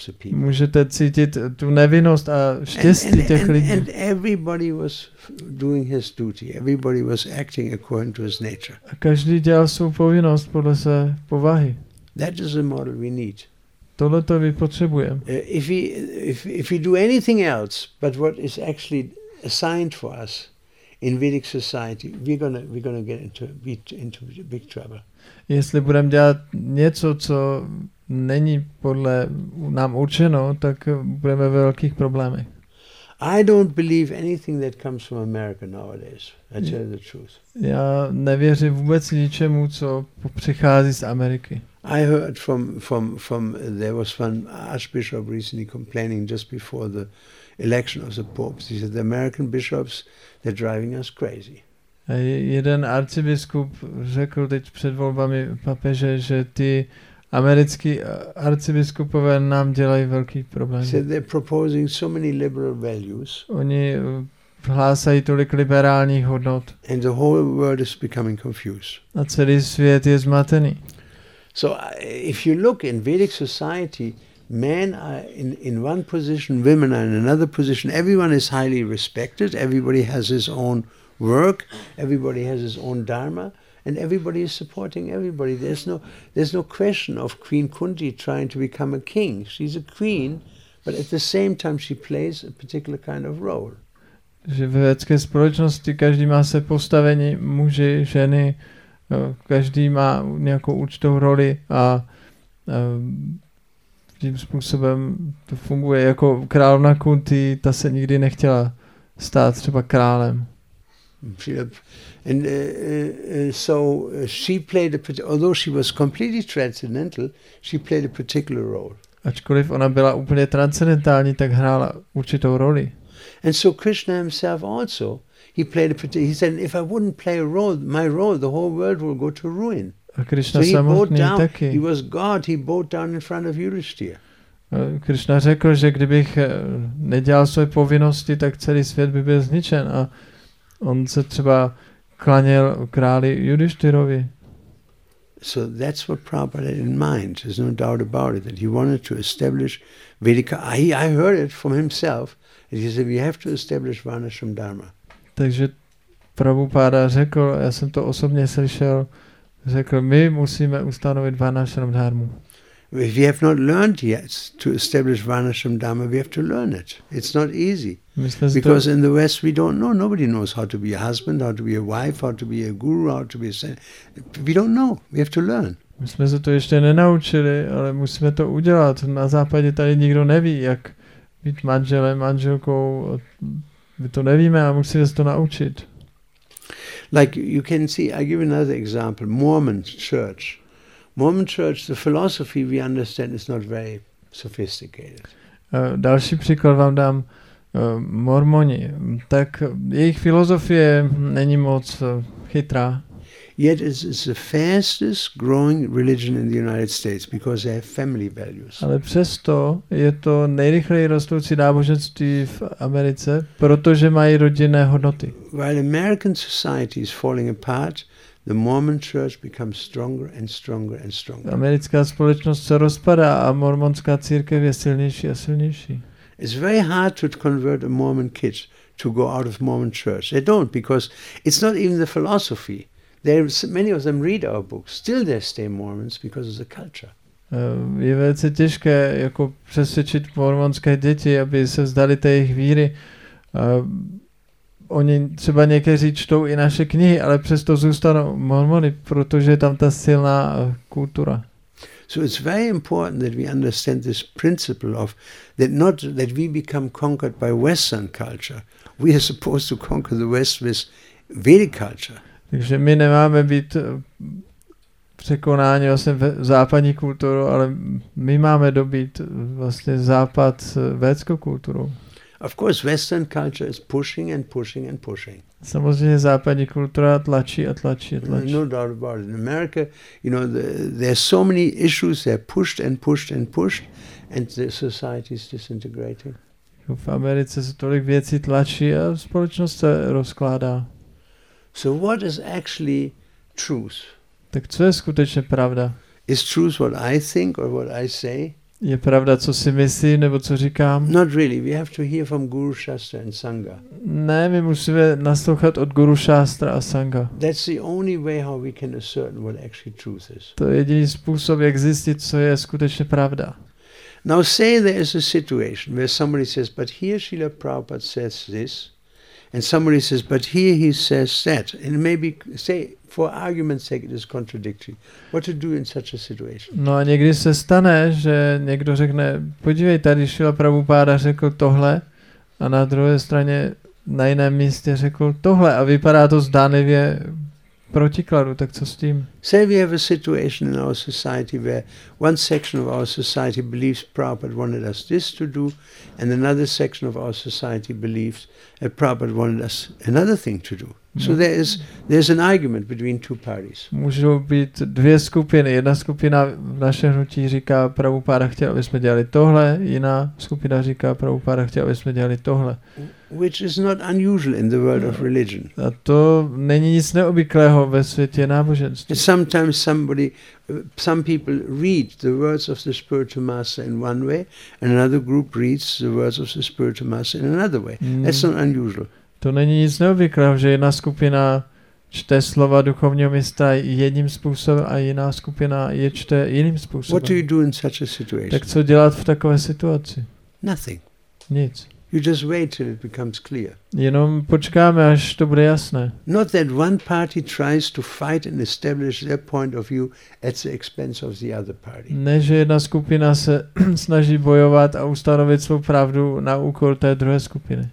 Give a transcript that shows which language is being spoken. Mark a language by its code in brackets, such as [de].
[cs] Můžete cítit tu nevinnost a štěstí těch lidí. [en] And everybody was doing his duty. Everybody was acting according to his nature. [cs] A každý dělal svou povinnost podle své povahy. [en] That is the model we need. [cs] Tohle to vy potřebujeme. [en] If we do anything else but what is actually assigned for us in Vedic society, we're gonna get into big trouble. [cs] Jestli budeme dělat něco, co není podle nám určeno, tak budeme ve velkých problémech. [en] I don't believe anything that comes from America nowadays. I tell you the truth. [cs] Já nevěřím vůbec ničemu, co přichází z Ameriky. [en] I heard from there was one archbishop recently complaining just before the election of the Pope. He said the American bishops, they're driving us crazy. [cs] Jeden arcibiskup řekl teď před volbami papeže, že ty americký arcibiskupové nám dělají velký problém. [en] So they're proposing so many liberal values. [cs] Oni hlásají tolik liberálních hodnot. [en] And the whole world is becoming confused. [cs] A celý svět je zmatený. [en] So if you look in Vedic society, men are in one position, women are in another position. Everyone is highly respected. Everybody has his own work. Everybody has his own dharma. And everybody is supporting everybody. There's no question of Queen Kunti trying to become a king. She's a queen, but at the same time she plays a particular kind of role. [cs] Že ve vědecké společnosti každý má se postavení, muži, ženy, každý má nějakou určitou roli a tím způsobem to funguje. Jako královna Kunti, ta se nikdy nechtěla stát třeba králem. [en] And so she played a, although she was completely transcendental, she played a particular role. [cs] Ačkoliv ona byla úplně transcendentální, tak hrála určitou roli. [en] And so Krishna himself also, he said, if I wouldn't play a role, my role, the whole world will go to ruin. [cs] A Krishna so samotný taky. [en] He was God, he bowed down in front of Yudhishthira. [cs] Krishna řekl, že kdybych nedělal svoje povinnosti, tak celý svět by byl zničen. A on se třeba klaněl králi Yudhishthirovi. [en] So that's what Prabhupada had in mind. There's no doubt about it that he wanted to establish Vedic. I heard it from himself. He said we have to establish Varnashram Dharma. [cs] Takže Prabhupada řekl, já jsem to osobně slyšel, řekl, my musíme ustanovit Varnashram Dharmu. [en] If we have not learned yet to establish Varnashram Dharma, we have to learn it. It's not easy. Because in the West we don't know. Nobody knows how to be a husband, how to be a wife, how to be a guru, how to be a saint. We don't know. We have to learn. [cs] My jsme se to ještě nenaučili, ale musíme to udělat. Na západě tady nikdo neví, jak být manželem, manželkou. My to nevíme a musíme se to naučit. [en] Like you can see, I give another example. Mormon church. Mormon church, the philosophy we understand is not very sophisticated. [cs] Další příklad vám dám. Mormoni, tak jejich filozofie není moc chytrá. [en] Yet it's the fastest growing religion in the United States because they have family values. [cs] Ale přesto je to nejrychleji rostoucí náboženství v Americe, protože mají rodinné hodnoty. [en] While American society is falling apart, the Mormon church becomes stronger and stronger and stronger. [cs] Americká společnost se rozpadá a mormonská církev je silnější a silnější. [en] It's very hard to convert a Mormon kid to go out of Mormon church. They don't because it's not even the philosophy. There's many of them read our books. Still they stay Mormons because of the culture. [cs] Je velice těžké jako přesvědčit mormonské děti, aby se vzdali té jejich víry. Oni třeba někteří čtou i naše knihy, ale přesto zůstanou mormony, protože je tam ta silná kultura. [en] So it's very important that we understand this principle of that not that we become conquered by Western culture. We are supposed to conquer the West with Vedic culture. [cs] Takže my nemáme být překonáni vlastně západní kulturu, ale my máme dobít vlastně západ védskou kulturu. [en] Of course, Western culture is pushing and pushing and pushing. [cs] Samozřejmě západní kultura tlačí a tlačí a tlačí. [en] No doubt about it. In America, you know, there are so many issues, they're pushed and pushed and pushed, and the society is disintegrating. [cs] V Americe se tolik věcí tlačí a společnost se rozkládá. [en] So what is actually truth? [cs] Tak co je skutečně pravda? [en] Is truth what I think or what I say? [cs] Je pravda, co si myslím nebo co říkám? [en] Not really. We have to hear from Guru Shastra and Sangha. [cs] Ne, my musíme naslouchat od Guru Shastra a Sangha. [en] That's the only way how we can ascertain what actually truth is. [cs] To je jediný způsob, jak zjistit, co je skutečně pravda. [en] Now say there is a situation where somebody says, but here Srila Prabhupada says this, and somebody says, but here he says that, and maybe say for argument's sake, it is contradictory. What to do in such a situation? [cs] No a někdy se stane, že někdo řekne, podívej, tady Šila Prabhupáda řekl tohle, a na druhé straně, na jiném místě řekl tohle, a vypadá to zdánlivě protikladu, tak co s tím? [en] Say we have a situation in our society where one section of our society believes Prabhupada wanted us this to do, and another section of our society believes that Prabhupada wanted us another thing to do. So there's an argument between two parties. [cs] Můžou být dvě skupiny. Jedna skupina v našem hnutí říká, Prabhupáda chtěl, aby jsme dělali tohle. Jiná skupina říká, Prabhupáda chtěl, aby jsme dělali tohle. [en] Which is not unusual in the world of religion. [cs] A to není nic neobvyklého ve světě náboženství. [en] Sometimes somebody, some people read the words of the spiritual master in one way, and another group reads the words of the spiritual master in another way. That's not unusual. [cs] To není nic neobvyklého, že jedna skupina čte slova duchovního mistra jedním způsobem a jiná skupina je čte jiným způsobem. [en] What do you do in such a situation? [cs] Tak co dělat v takové situaci? [en] Nothing. [cs] Nic. [en] You just wait till it becomes clear. [cs] Jenom počkáme, až to bude jasné. [en] Not that one party tries to fight and establish their point of view at the expense of the other party. [cs] Ne, že jedna skupina se snaží bojovat a ustanovit svou pravdu na úkor té druhé skupiny.